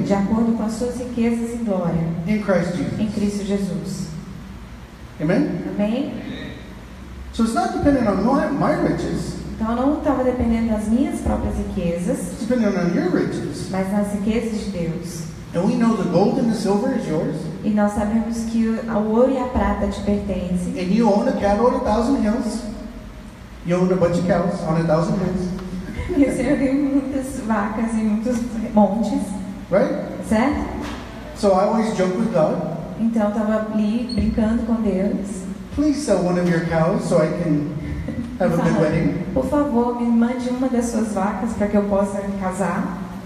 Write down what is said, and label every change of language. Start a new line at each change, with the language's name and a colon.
Portuguese: De acordo com as suas riquezas e glória.
English: In Christ Jesus.
Portuguese: Em Cristo Jesus.
English: Amen.
Portuguese: Amém.
English: So it's not dependent on my riches.
Portuguese: Então não estava dependendo das minhas próprias riquezas, mas nas riquezas de Deus.
English: And we know the gold and the silver is yours.
Portuguese: E nós sabemos que o ouro e a prata te pertencem.
English: And you own a cattle on a thousand hills. You own a bunch of cows on a thousand hills.
Portuguese: E você tem muitas vacas e muitos montes.
English: Right?
Portuguese: Certo?
English: So I always joke with God.
Portuguese: Então estava ali brincando com Deus.
English: Please sell one of your cows so I can have a good wedding.
Portuguese: Por favor, me mande uma das suas vacas para que eu possa me casar.